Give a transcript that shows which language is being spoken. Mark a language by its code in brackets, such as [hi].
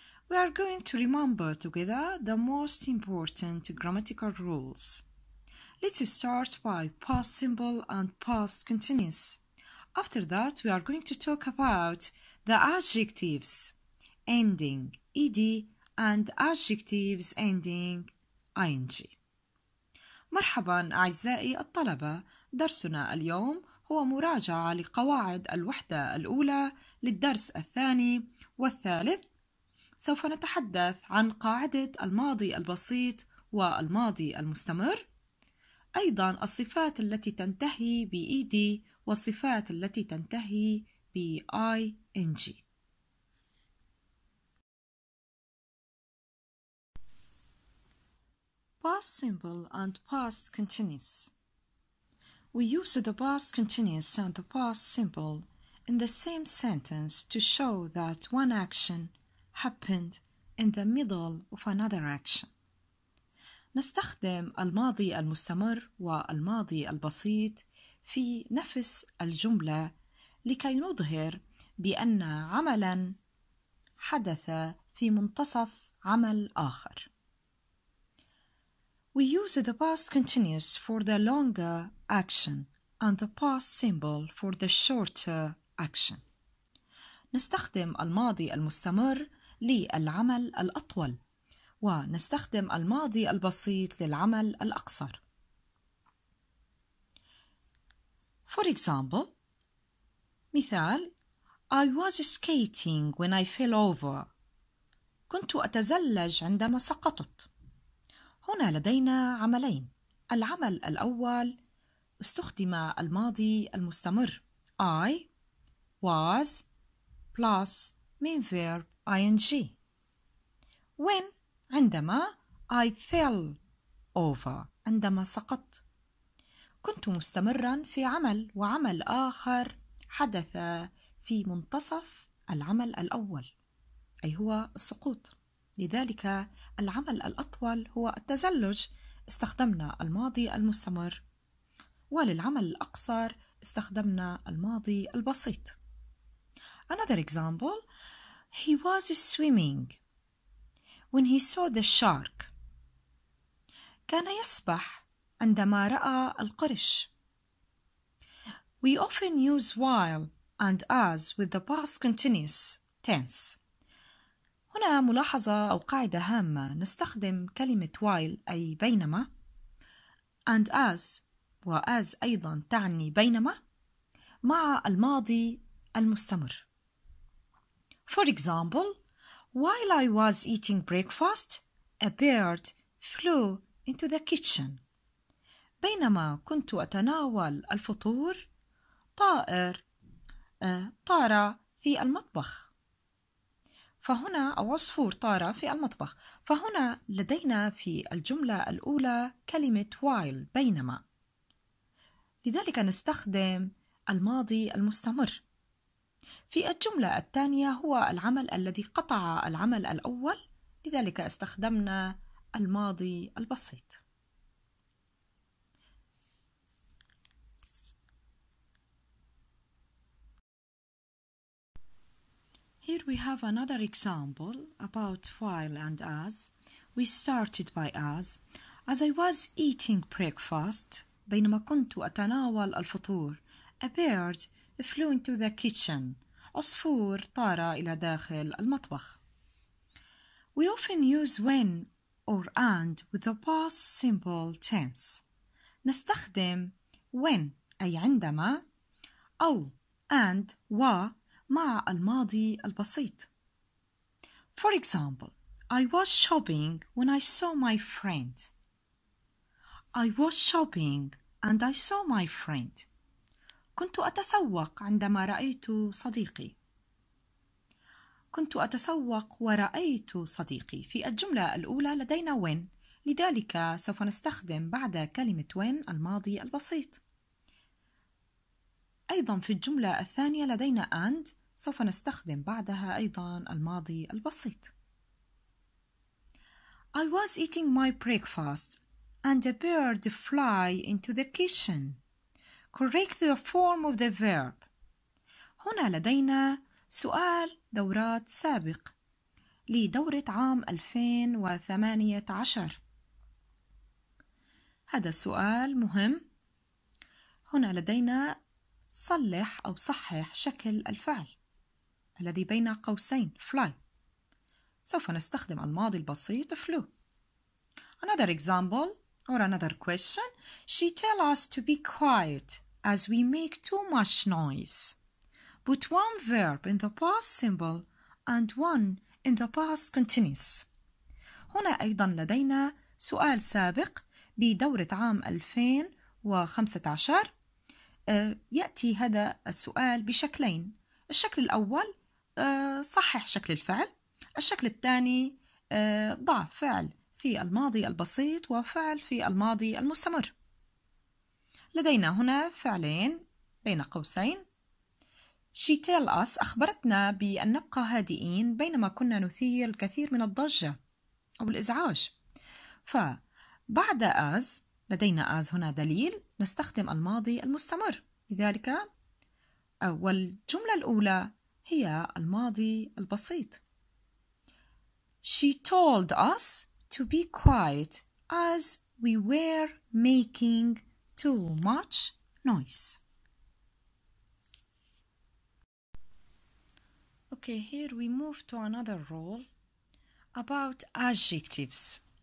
[en] We are going to remember together the most important grammatical rules. Let's start by past simple and past continuous. After that, we are going to talk about the adjectives ending ed and adjectives ending ing. [ar] مرحبا أعزائي الطلبة، درسنا اليوم هو مراجعة لقواعد الوحدة الأولى للدرس الثاني والثالث. سوف نتحدث عن قاعدة الماضي البسيط والماضي المستمر، أيضا الصفات التي تنتهي بإيدي والصفات التي تنتهي بآي إن جي. [en] Past simple and past continuous. We use the past continuous and the past simple in the same sentence to show that one action happened in the middle of another action. [ar] نستخدم الماضي المستمر والماضي البسيط في نفس الجملة لكي نظهر بأن عملا حدث في منتصف عمل آخر. [en] We use the past continuous for the longer action and the past simple for the shorter action. [ar] نستخدم الماضي المستمر للعمل الأطول ونستخدم الماضي البسيط للعمل الأقصر. [en] For example, [ar] مثال [en] I was skating when I fell over. [ar] كنت أتزلج عندما سقطت. هنا لدينا عملين. العمل الأول استخدم الماضي المستمر [en] I was plus main verb ing. When [ar] عندما [en] I fell over [ar] عندما سقط. كنت مستمرا في عمل وعمل آخر حدث في منتصف العمل الأول أي هو السقوط. لذلك العمل الأطول هو التزلج استخدمنا الماضي المستمر وللعمل الأقصر استخدمنا الماضي البسيط. [en] Another example, he was swimming when he saw the shark. [ar] كان يسبح عندما رأى القرش. [en] We often use while and as with the past continuous tense. [ar] هنا ملاحظة أو قاعدة هامة، نستخدم كلمة while أي بينما، [en] and as [ar] وas أيضا تعني بينما مع الماضي المستمر. [en] For example, while I was eating breakfast, a bird flew into the kitchen. [ar] بينما كنت أتناول الفطور، طائر طار في المطبخ. فهنا أو عصفور طار في المطبخ. فهنا لدينا في الجملة الأولى كلمة while بينما، لذلك نستخدم الماضي المستمر. في الجملة الثانية هو العمل الذي قطع العمل الأول، لذلك استخدمنا الماضي البسيط. [en] Here we have another example about while and as. We started by as I was eating breakfast, [ar] بينما كنت أتناول الفطور, [en] a bird flew into the kitchen. [ar] عصفور طار إلى داخل المطبخ. [en] We often use when or and with the past simple tense. [ar] نستخدم when أي عندما أو and و مع الماضي البسيط. [en] For example, I was shopping when I saw my friend. I was shopping and I saw my friend. [ar] كنت أتسوق عندما رأيت صديقي. كنت أتسوق ورأيت صديقي. في الجملة الأولى لدينا when، لذلك سوف نستخدم بعد كلمة when الماضي البسيط. أيضا في الجملة الثانية لدينا and، سوف نستخدم بعدها أيضا الماضي البسيط. [en] I was eating my breakfast and a bird fly into the kitchen. Correct the form of the verb. [ar] هنا لدينا سؤال دورات سابق لدورة عام 2018. هذا السؤال مهم. هنا لدينا صلح أو صحح شكل الفعل الذي بين قوسين fly. سوف نستخدم الماضي البسيط flew. [en] Another example or another question. She tell us to be quiet as we make too much noise. Put one verb in the past simple and one in the past continuous. [ar] هنا أيضا لدينا سؤال سابق بدورة عام 2015. يأتي هذا السؤال بشكلين. الشكل الأول صحح شكل الفعل. الشكل الثاني ضع فعل في الماضي البسيط وفعل في الماضي المستمر. لدينا هنا فعلين بين قوسين. [en] She tell us [ar] أخبرتنا بأن نبقى هادئين بينما كنا نثير الكثير من الضجة أو الإزعاج. فبعد us لدينا us هنا دليل نستخدم الماضي المستمر. لذلك أول جملة الأولى هي الماضي البسيط. [en] She told us to be quiet as we were making too much noise. Okay, here we move to another rule about adjectives.